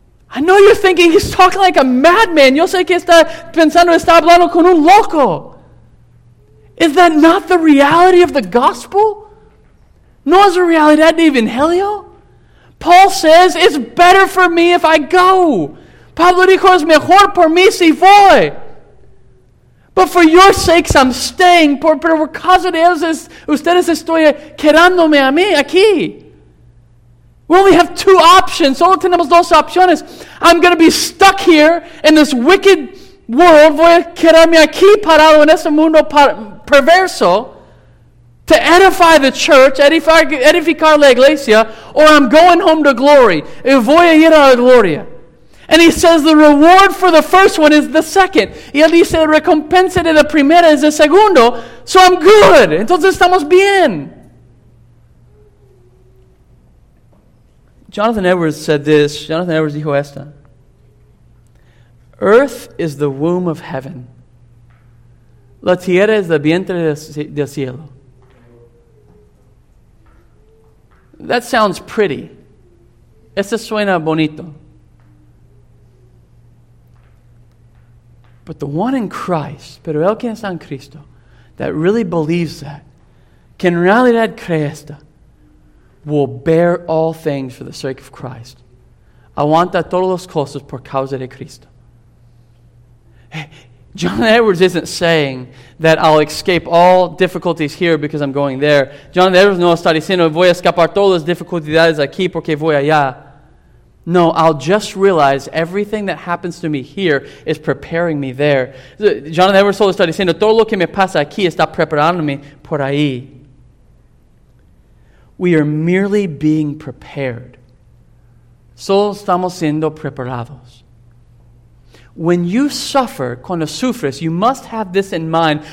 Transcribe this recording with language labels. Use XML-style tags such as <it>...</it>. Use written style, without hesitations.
<en>I know you're thinking he's talking like a madman.</en> <es>Yo sé que está pensando, está hablando con un loco.</es> <en>Is that not the reality of the gospel?</en> <es>No es la realidad de Evangelio?</es> <en>Paul says, it's better for me if I go.</en> <es>Pablo dijo, es mejor por mí si voy.</es> <en>But for your sakes, I'm staying.</en> <es>Por causa de ustedes, estoy quedándome a mí aquí.</es> <en>We only have two options.</en> <es>Solo tenemos dos opciones.</es> <en>I'm going to be stuck here in this wicked world.</en> <es>Voy a quedarme aquí parado en este mundo perverso.</es> <en>To edify the church,</en> <es>edificar la iglesia,</es> <en>or I'm going home to glory.</en> <es>Y voy a ir a la gloria.</es> <en>And he says the reward for the first one is the second.</en> <es>Y él dice la recompensa de la primera es el segundo.</es> <en>So I'm good.</en> <es>Entonces estamos bien.</es> <en>Jonathan Edwards said this.</en> <es>Jonathan Edwards dijo esta.</es> <en>Earth is the womb of heaven.</en> <es>La tierra es el vientre del cielo.</es> <en>That sounds pretty.</en> <es>Eso suena bonito.</es> <en>But the one in Christ,</en> <es>pero el que está en Cristo,</es> <en>that really believes that,</en> <es>que en realidad cree esto,</es> <en>will bear all things for the sake of Christ.</en> <es>Aguanta todas las cosas por causa de Cristo.</es> <en>John Edwards isn't saying that I'll escape all difficulties here because I'm going there.</en> <es>John Edwards no está diciendo voy a escapar todas las dificultades aquí porque voy allá.</es> <en>No, I'll just realize everything that happens to me here is preparing me there.</en> <es>John Edwards solo está diciendo todo lo que me pasa aquí está preparándome por ahí.</es> <en>We are merely being prepared.</en> <es>Solo estamos siendo preparados.</es> <en>When you suffer,</en> <es>cuando sufres,</es> <en>you must have this in mind.</en>